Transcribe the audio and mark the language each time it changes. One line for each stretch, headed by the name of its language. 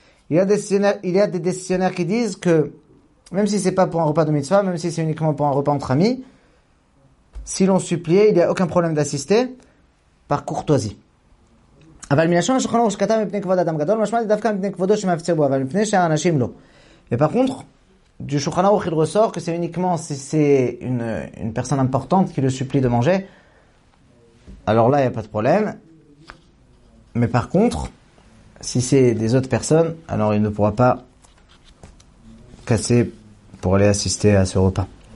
French: Il y a des décisionnaires qui disent que, même si ce n'est pas pour un repas de mitzvah, même si c'est uniquement pour un repas entre amis, si l'on suppliait, il n'y a aucun problème d'assister par courtoisie.
Hebrew: אבל מן השם השולחן ערוך שכתב מפני כבוד אדם גדול, משמע דווקא מפני כבודו שמפציר בו, אבל מפני שאר אנשים לא.
French: Et par contre, du Shulchan Aruch, il ressort que c'est uniquement si c'est une personne importante qui le supplie de manger. Alors là, il n'y a pas de problème. Mais par contre, si c'est des autres personnes, alors il ne pourra pas casser pour aller assister à ce repas.